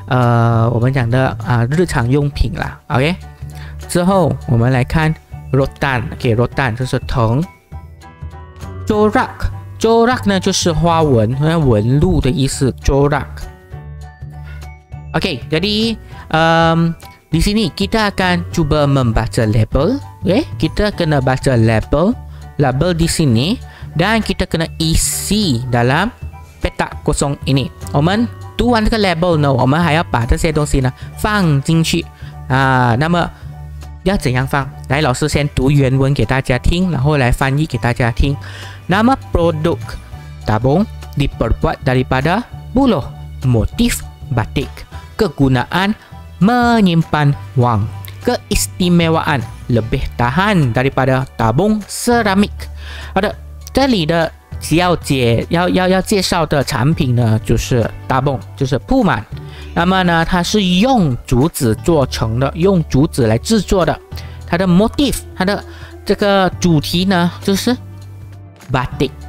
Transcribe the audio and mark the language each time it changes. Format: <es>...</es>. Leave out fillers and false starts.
<zh>哎，蒙光呢是一种乔木啦哈，蒙光呢，它是一种叶子来的啊，它是一种叶子来的，你看到吗？啊，这个就是蒙光了啊。好的，那么这个蒙光呢，它是有什么作用呢？啊，它的作用呢，你看人家就是拿这些蒙光呢来做成编织啊哈，编织成一些我们讲的啊日常用品啦。OK， 之后我们来看rotan，OK，rotan就是藤。</zh> <ms>Corak，corak</ms> <zh>呢就是花纹，纹路的意思</zh> <ms>，corak。OK， jadi di sini kita akan cuba membaca label，OK，、okay? kita kena baca label di sini dan kita kena isi dalam petak kosong ini.</ms> <zh>我们 读 完 这个 label 呢，我们还要把这些东西呢放进去啊。那么要怎样放？来，老师先读原文给大家听，然后来翻译给大家听。</zh> <ms>Nama produk tabung diperbuat daripada buluh motif batik. Kegunaan menyimpan wang. Keistimewaan lebih tahan daripada tabung seramik.</ms> <zh>Ada, 这里的要介绍的产品呢，就是tabung，就是铺满。那么呢，它是用竹子做成的，用竹子来制作的。它的 motif， 它的这个主题呢，就是 batik。</zh>